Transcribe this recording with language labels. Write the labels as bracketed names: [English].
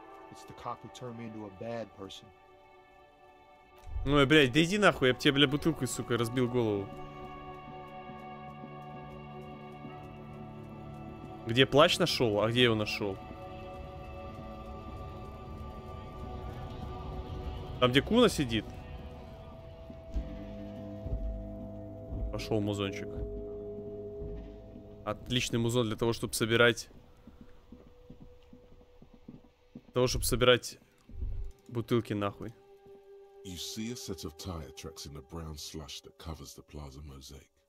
[English] It's the cop who turned me into a bad person. [Russian] Ну, блядь, да иди нахуй, я бы тебе, блядь, бутылку, сука, разбил голову. Где плащ нашел? А где его нашел? Там, где Куна сидит? Пошел музончик. Отличный музон для того, чтобы собирать... Для того, чтобы собирать бутылки нахуй. [English] You see a set of tire tracks in the brown slush that covers the plaza mosaic.